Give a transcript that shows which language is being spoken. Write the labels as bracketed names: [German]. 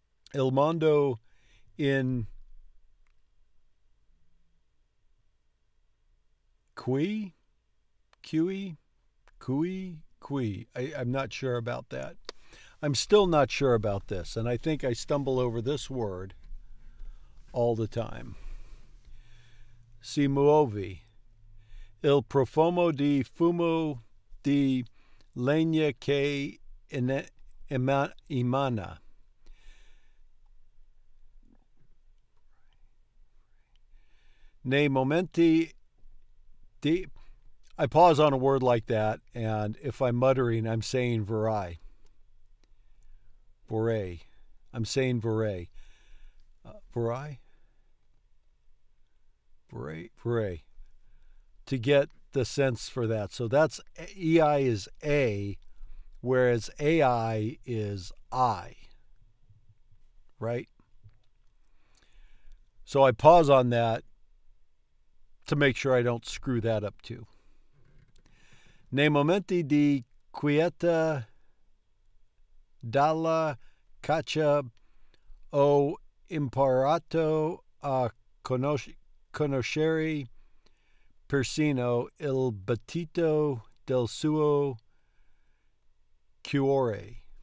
[Italian] Il mondo in qui. [English] I'm not sure about that. I'm still not sure about this, and I think I stumble over this word all the time. [Italian] Si muovi. Il profumo di fumo di legna che emana. Nei momenti di... [English] I pause on a word like that, and if I'm muttering, I'm saying vorrei. Vorrei. I'm saying vorrei. Vorrei? Vorrei? Vorrei. To get the sense for that. So that's... EI is A, whereas AI is I. Right? So I pause on that to make sure I don't screw that up too. [Italian] Nei momenti di quieta dalla caccia ho imparato a conoscere persino il battito del suo cuore.